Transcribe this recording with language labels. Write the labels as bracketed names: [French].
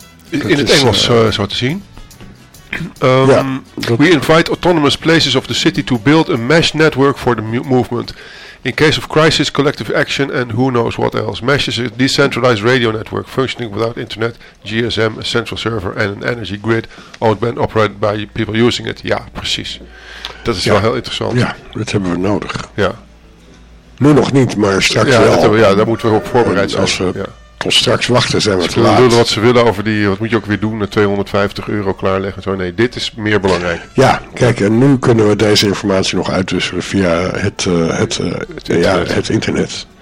[Dutch] Ja, in het Engels zo te zien. [English] We invite autonomous places of the city to build a mesh network for the movement. In case of crisis, collective action and who knows what else. Mesh is a decentralized radio network functioning without internet, GSM, a central server and an energy grid owned and operated by people using it. [Dutch] Ja, precies. Dat is wel heel interessant. Ja, dat hebben we nodig. Ja. Nu nog niet, maar straks wel. Ja, daar moeten we op voorbereid zijn. Als we tot straks wachten, zijn we te laat. Ze doen wat ze willen over die, wat moet je ook weer doen, €250 klaarleggen. Zo. Nee, dit is meer belangrijk. Ja, kijk, en nu kunnen we deze informatie nog uitwisselen via het internet.